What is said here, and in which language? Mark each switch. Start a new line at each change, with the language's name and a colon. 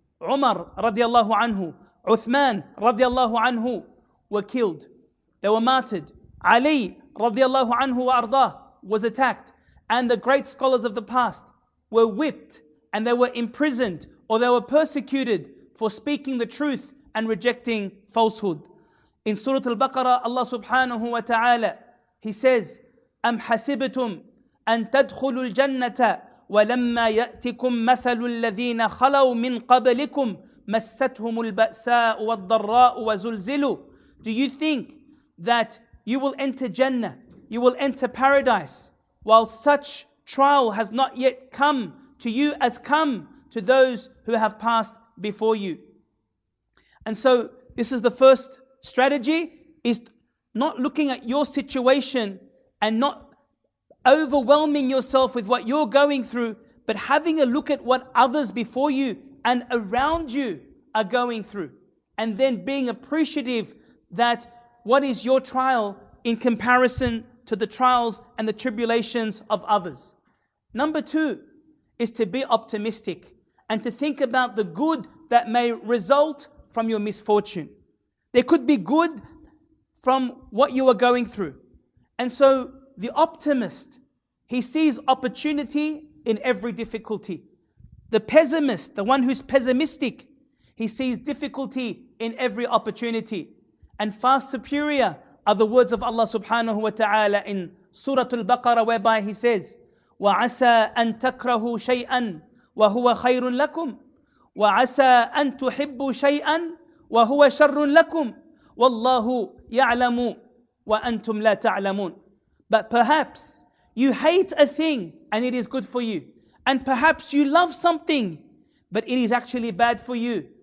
English: Umar radiallahu anhu, Uthman radiallahu anhu were killed. They were martyred. Ali radiallahu anhu wa arda was attacked. And the great scholars of the past were whipped and they were imprisoned or they were persecuted for speaking the truth and rejecting falsehood. In Surah Al-Baqarah, Allah subhanahu wa ta'ala, He says,
Arabic: أَمْ حَسِبْتُمْ أَن تَدْخُلُوا الْجَنَّةَ وَلَمَّا يَأْتِكُمْ مَثَلُ الَّذِينَ خَلَوْا مِنْ قَبْلِكُمْ مَسَّتْهُمُ الْبَأْسَاءُ وَالضَّرَّاءُ وَزُلْزِلُوا.
English: Do you think that you will enter Jannah, you will enter paradise, while such trial has not yet come to you as come to those who have passed before you? And so this is the first strategy, is not looking at your situation and not overwhelming yourself with what you're going through, but having a look at what others before you and around you are going through, and then being appreciative that what is your trial in comparison to the trials and the tribulations of others. Number two is to be optimistic and to think about the good that may result from your misfortune. There could be good from what you are going through. And so the optimist, he sees opportunity in every difficulty. The pessimist, the one who's pessimistic, he sees difficulty in every opportunity. And far superior are the words of Allah subhanahu wa ta'ala in Surah Al-Baqarah, whereby He says,
Arabic: وَعَسَىٰ أَن تَكْرَهُ شَيْئًا وَهُوَ خَيْرٌ لَكُمْ وَعَسَىٰ أَن تُحِبُّ شَيْئًا وَهُوَ شَرٌ لَكُمْ وَاللَّهُ يَعْلَمُ وَأَنْتُمْ لَا تَعْلَمُونَ.
English: But perhaps you hate a thing and it is good for you. And perhaps you love something, but it is actually bad for you.